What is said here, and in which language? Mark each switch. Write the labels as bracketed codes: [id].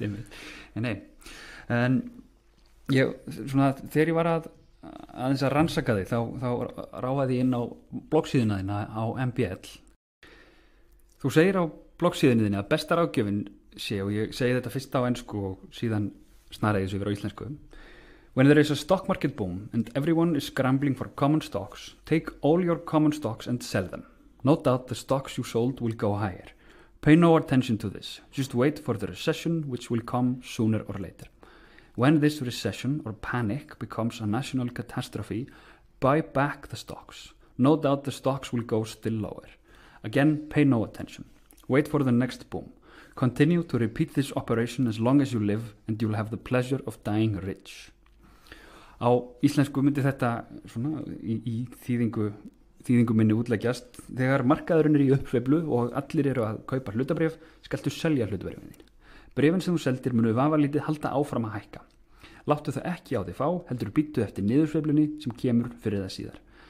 [is] Nei, en ég, svona, þegar ég var aðeins að rannsaka þig, þá ráfaði ég inn á bloggsíðuna þína á MBL. Þú segir á bloggsíðunni þinni að besta ráðgjöfin sé, og ég segi þetta fyrst á ensku og síðan snaraði þessu yfir á íslensku. [en] When there is a stock market boom and everyone is scrambling for common stocks, take all your common stocks and sell them. No doubt the stocks you sold will go higher. Pay no attention to this. Just wait for the recession which will come sooner or later. When this recession or panic becomes a national catastrophe, buy back the stocks. No doubt the stocks will go still lower. Again, pay no attention. Wait for the next boom. Continue to repeat this operation as long as you live and you'll have the pleasure of dying rich. [is] Á íslensku myndi þetta svona, í þýðingu minni útleggjast. Þegar markaðurinn í uppsveiflu og allir eru að kaupa hlutabréf, skaltu selja hlutabréfin þín. Bréfin sem þú seldir munu vafalítið halda áfram að hækka. Láttu það ekki á því fá, heldur býttu eftir niðursveiflunni sem kemur fyrir það síðar.